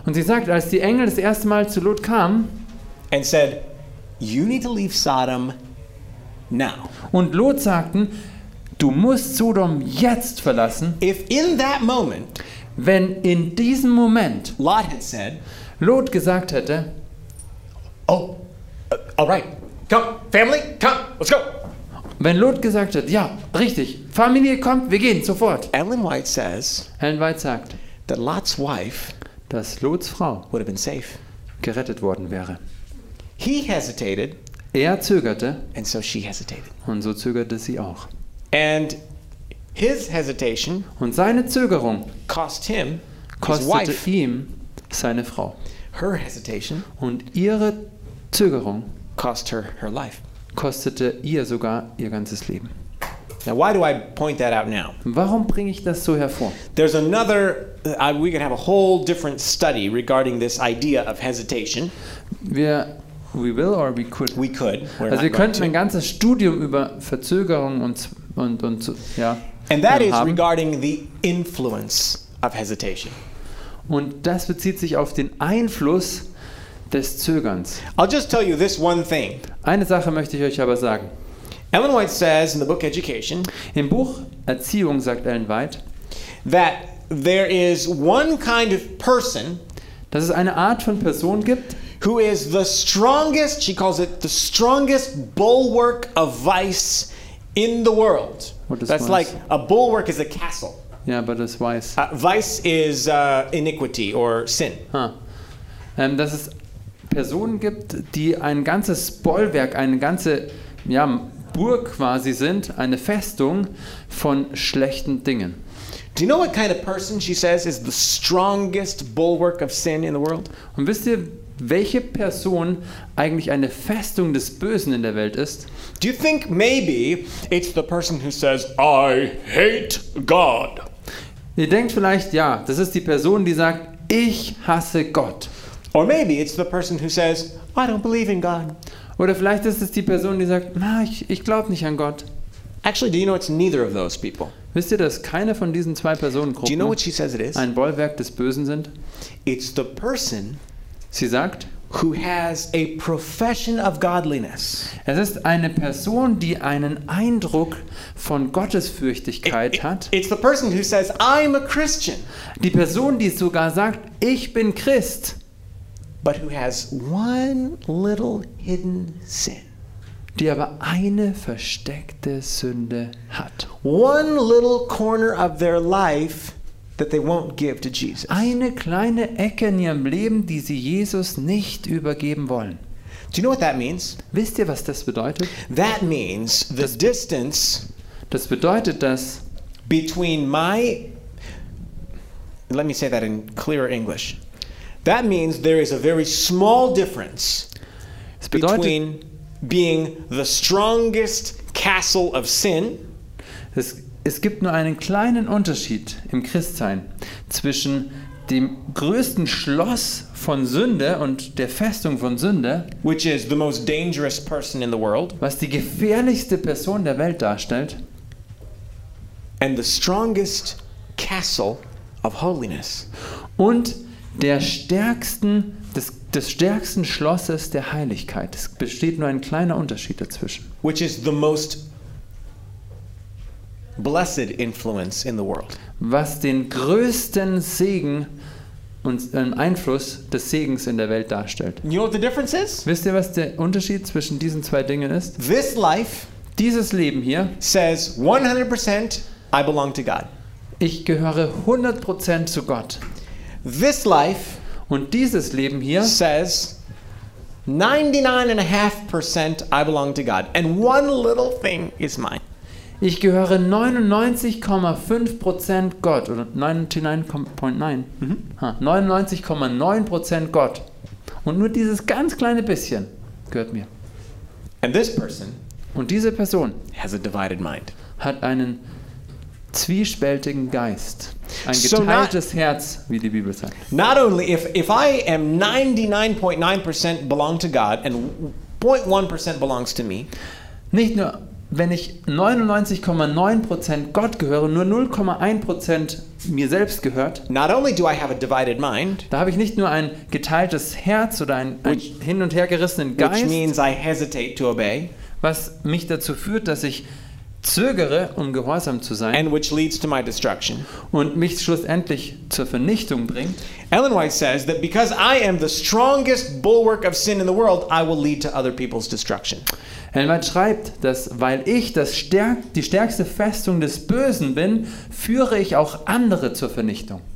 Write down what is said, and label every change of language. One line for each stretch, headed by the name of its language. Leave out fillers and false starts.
German: Und sie sagt, als die Engel das erste Mal zu Lot kamen,
English: and said, "You need to leave Sodom now."
German: Und Lot sagten, du musst Sodom jetzt verlassen.
English: If in that moment,
German: wenn in diesem Moment,
English: Lot had said,
German: Lot gesagt hätte,
English: "Oh, all right, come, family, come, let's go."
German: Wenn Lot gesagt hätte, ja, richtig, Familie kommt, wir gehen sofort.
English: Ellen White says,
German: Ellen White sagt.
English: That Lot's wife,
German: dass Lots Frau,
English: would have been safe,
German: gerettet worden wäre.
English: He hesitated,
German: er zögerte,
English: and so she hesitated,
German: und so zögerte sie auch.
English: And his hesitation,
German: und seine Zögerung,
English: cost him,
German: kostete
English: his wife,
German: ihm seine Frau.
English: Her hesitation,
German: und ihre Zögerung,
English: cost her her life,
German: kostete ihr sogar ihr ganzes Leben.
English: Now, why do I point that out now?
German: Warum bringe ich das so hervor?
English: There's another. We can have a whole different study regarding this idea of hesitation. We will or we could. We could. We're also,
German: wir könnten ein ganzes Studium über Verzögerung und ja.
English: And that is regarding the influence of hesitation.
German: Und das bezieht sich auf den Einfluss des Zögerns.
English: I'll just tell you this one thing.
German: Eine Sache möchte ich euch aber sagen.
English: Ellen White says in the book Education,
German: im Buch Erziehung sagt Ellen White,
English: that there is one kind of person,
German: dass es eine Art von Person gibt,
English: who is the strongest, she calls it the strongest bulwark of vice in the world. What is that's vice? Like a bulwark is a castle. Yeah, but it's vice. Vice is iniquity or sin. Huh.
German: Dass es Personen gibt, die ein ganzes Bollwerk, eine ganze, ja, Burg quasi sind, eine Festung von schlechten Dingen.
English: Do you know what kind of person she says is the strongest bulwark of sin in the world?
German: Und wisst ihr, welche Person eigentlich eine Festung des Bösen in der Welt ist?
English: Do you think maybe it's the person who says I hate God?
German: Ihr denkt vielleicht, ja, das ist die Person, die sagt, ich hasse Gott.
English: Or maybe it's the person who says I don't believe in God.
German: Oder vielleicht ist es die Person, die sagt, na, ich glaube nicht an Gott.
English: Actually, do you know it's neither of those people?
German: Wisst ihr, dass keine von diesen zwei Personengruppen,
English: do you know what she says it is?
German: Ein Bollwerk des Bösen sind?
English: It's the person,
German: sie sagt,
English: who has a profession of godliness.
German: Es ist eine Person, die einen Eindruck von Gottesfürchtigkeit hat.
English: It's the person who says, I'm a Christian.
German: Die Person, die sogar sagt, ich bin Christ.
English: But who has one little hidden sin.
German: Die aber eine versteckte Sünde hat.
English: One little corner of their life that they won't give to Jesus.
German: Eine kleine Ecke in ihrem Leben, die sie Jesus nicht übergeben wollen.
English: Do you know what that means?
German: Wisst ihr, was das bedeutet?
English: That means the distance.
German: Das bedeutet, dass
English: between my, let me say that in clearer English. That means there is a very small difference between being the strongest castle of sin.
German: Es gibt nur einen kleinen Unterschied im Christsein zwischen dem größten Schloss von Sünde und der Festung von Sünde,
English: which is the most dangerous person in the world,
German: was die gefährlichste Person der Welt darstellt,
English: and the strongest castle of holiness.
German: Und des stärksten Schlosses der Heiligkeit. Es besteht nur ein kleiner Unterschied dazwischen.
English: Which is the most blessed influence in the world.
German: Was den größten Segen und Einfluss des Segens in der Welt darstellt.
English: You know what the difference is?
German: Wisst ihr, was der Unterschied zwischen diesen zwei Dingen ist?
English: This life,
German: dieses Leben hier,
English: says 100% I belong to God.
German: Ich gehöre 100% zu Gott.
English: This life
German: und dieses Leben hier
English: says 99.5% I belong to God and one little thing is mine.
German: Ich gehöre 99,5% Gott oder 99,9% Gott und nur dieses ganz kleine bisschen gehört mir.
English: And this person
German: und diese Person
English: has a divided mind.
German: Hat einen zwiespältigen Geist, ein geteiltes Herz, wie die Bibel sagt.
English: Not only if I am 99.9% belong to God and 0.1% belongs to me.
German: Nicht nur wenn ich 99,9% Gott gehöre, nur 0,1% mir selbst gehört.
English: Not only do I have a divided mind.
German: Da habe ich nicht nur ein geteiltes Herz oder einen hin und her gerissenen Geist.
English: Which means I hesitate to obey.
German: Was mich dazu führt, dass ich zögere, um gehorsam zu sein.
English: And which leads to my destruction.
German: Und mich schlussendlich zur Vernichtung bringt.
English: Ellen White says that because I am the strongest bulwark of sin in the world, I will lead to other people's destruction.
German: Ellen White schreibt, dass weil ich die stärkste Festung des Bösen bin, führe ich auch andere zur Vernichtung.